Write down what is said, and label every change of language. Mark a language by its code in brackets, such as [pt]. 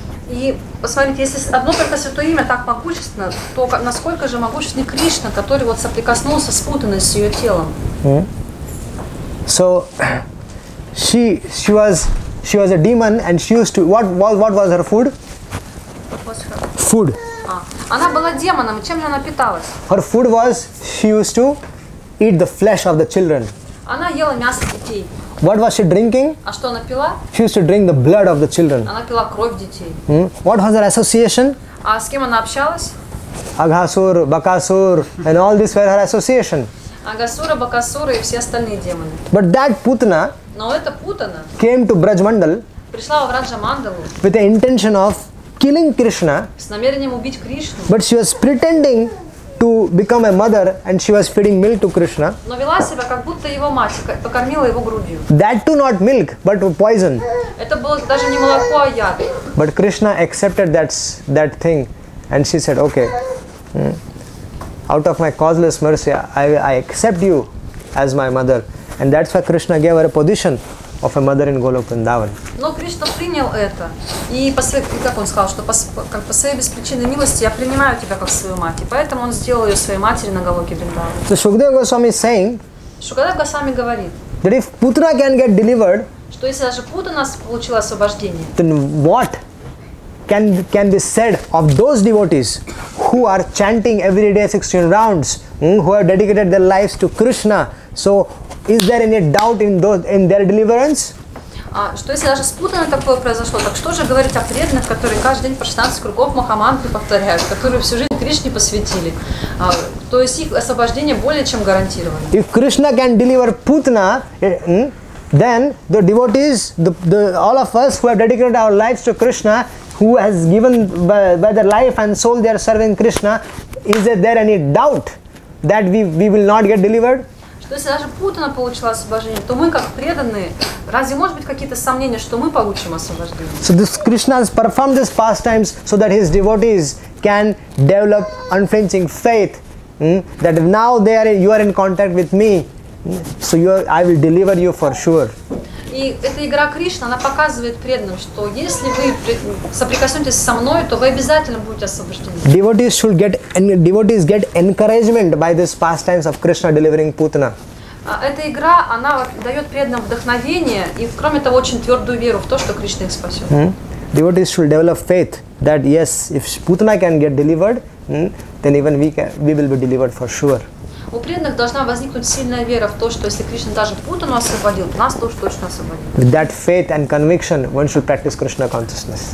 [ru] И посмотрите, если одно только святое имя так могущественно, то насколько же могущественный Кришна, который вот соприкоснулся с Путаной, с ее телом? [en] So she was a demon, and she used to what was her food? Food. [ru] Она была демоном, и чем же она питалась? [en] Her food was she used to eat the flesh of the children. [ru] Она ела мясо детей. [en] What was she drinking? [ru] А что она пила? [en] She used to drink the blood of the children. [ru] Она пила кровь детей. [en] What was her association? [ru] А с кем она общалась? [en] Агасур, Бакасур, and all these were her association. [ru] Агасура, Бакасура и все остальные демоны. [en] But that Putana. [ru] Но это Путана. [en] Came to Брадж-мандал. [ru] Пришла во Брадж-мандалу. [en] With the intention of killing Krishna. [ru] С намерением убить Кришну. [en] But she was pretending to become a mother, and she was feeding milk to Krishna. [ru] Но вела себя как будто его мать, покормила его грудью. [en] That too not milk, but poison. [ru] Это было даже не молоко, а яд. [en] But Krishna accepted that thing, and she said, okay, out of my causeless mercy, I accept you as my mother, and that's why Krishna gave her a position of a mother in Golok Vrindavan. [ru] Но Кришна принял это, и как он сказал, что по своей беспричинной милости я принимаю тебя как свою мать, и поэтому он сделал ее своей матерью на Голоке Вриндаване. [en] So Shukadeva Goswami is saying, [ru] Shukadeva Goswami говорит, [en] that if Putana can get delivered, [ru] что если даже Путана получила освобождение, [en] then what can be said of those devotees who are chanting every day 16 rounds, who have dedicated their lives to Krishna? So is there any doubt in their deliverance? [ru] Что если даже с Путаной такое произошло, так что же говорить о преданных, которые каждый день по 16 кругов Махамантры повторяют, которые всю жизнь Кришне посвятили? То есть их освобождение более чем гарантировано. [en] If Krishna can deliver Putana, then the devotees, the all of us who have dedicated our lives to Krishna, who has given by their life and soul they are serving Krishna, is there any doubt that we will not get delivered? [ru] То есть даже Путана получила освобождение, то мы как преданные, разве может быть какие-то сомнения, что мы получим освобождение? [en] So this Krishna has performed these pastimes so that his devotees can develop unflinching faith, that now you are in contact with me, so I will deliver you for sure. [ru] И эта игра Кришна, она показывает преданным, что если вы соприкоснетесь со мной, то вы обязательно будете освобождены. [en] Devotees get encouragement by these pastimes of Krishna delivering Putana. [ru] Эта игра, она дает преданным вдохновение и, кроме того, очень твердую веру в то, что Кришна их спасет. [en] Devotees should develop faith that yes, if Putana can get delivered, then even we will be delivered for sure. [ru] У преданных должна возникнуть сильная вера в то, что если Кришна даже Путану освободил, нас тоже точно освободит. [en] With that faith and conviction, one should practice Krishna consciousness.